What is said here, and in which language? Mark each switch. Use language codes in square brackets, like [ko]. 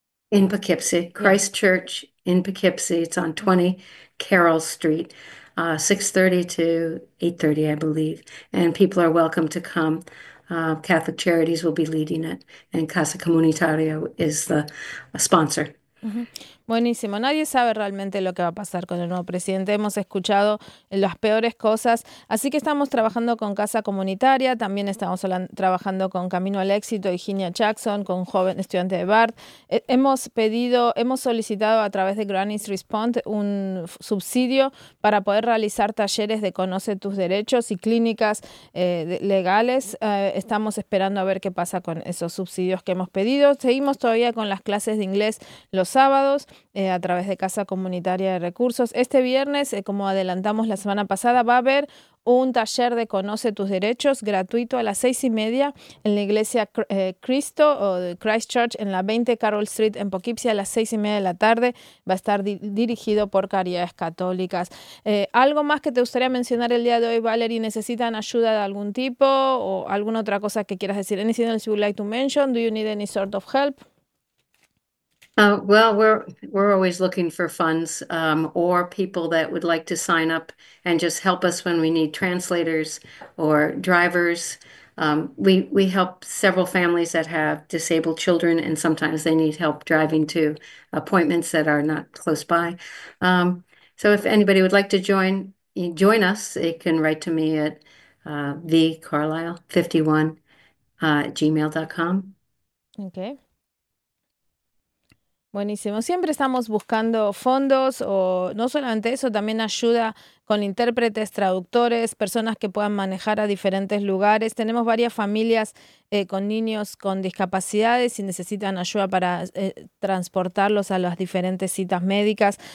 [en] in Poughkeepsie, Christ Church in Poughkeepsie, it's on 20 Carroll Street, 6:30 to 8:30, I believe. And people are welcome to come. Catholic Charities will be leading it, and Casa Comunitaria is the sponsor. [es] Buenísimo. Nadie sabe realmente lo que va a pasar con el nuevo presidente. Hemos escuchado las peores cosas. Así que estamos trabajando con Casa Comunitaria. También estamos trabajando con Camino al Éxito y Ginia Jackson, con joven estudiante de Bard. Hemos solicitado a través de Granny's Respond un subsidio para poder realizar talleres de Conoce tus Derechos y clínicas legales. Estamos esperando a ver qué pasa con esos subsidios que hemos pedido. Seguimos todavía con las clases de inglés los sábados a través de Casa Comunitaria de Recursos. Este viernes, como adelantamos la semana pasada, va a haber un taller de Conoce tus Derechos gratuito a las 6:30 en la iglesia Cristo o Christ Church en la 20 Carroll Street en Poughkeepsie a las 6:30 de la tarde. Va a estar dirigido por Caridades Católicas. ¿Algo más que te gustaría mencionar el día de hoy, Valerie? ¿Necesitan ayuda de algún tipo o alguna otra cosa que quieras decir? [en] Anything else you would like to mention? Do you need any sort of help? Well, we're always looking for funds or people that would like to sign up and just help us when we need translators or drivers. We help several families that have disabled children, and sometimes they need help driving to appointments that are not close by. So if anybody would like to join us, they can write to me at vcarlisle51@gmail.com. Okay. [es] Buenísimo. Siempre estamos buscando fondos o no solamente eso, también ayuda con intérpretes, traductores, personas que puedan manejar a diferentes lugares. Tenemos varias familias con niños con discapacidades y necesitan ayuda para transportarlos a las diferentes citas médicas.